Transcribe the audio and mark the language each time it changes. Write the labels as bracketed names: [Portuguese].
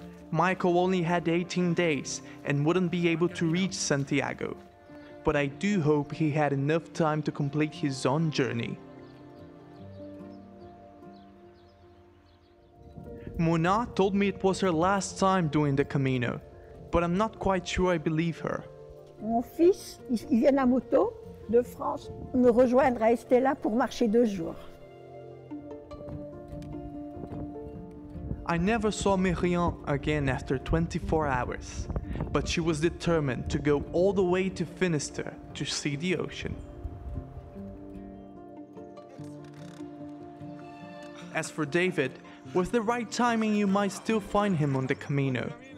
[English] Michael only had 18 days and wouldn't be able to reach Santiago, but I do hope he had enough time to complete his own journey. Mona told me it was her last time doing the Camino, but I'm not quite sure I believe her. [French] Mon fils, il vient à moto de France me rejoindre à Estella pour marcher 2 jours. [English] I never saw Marion again after 24 hours, but she was determined to go all the way to Finisterre to see the ocean. As for David, with the right timing, you might still find him on the Camino.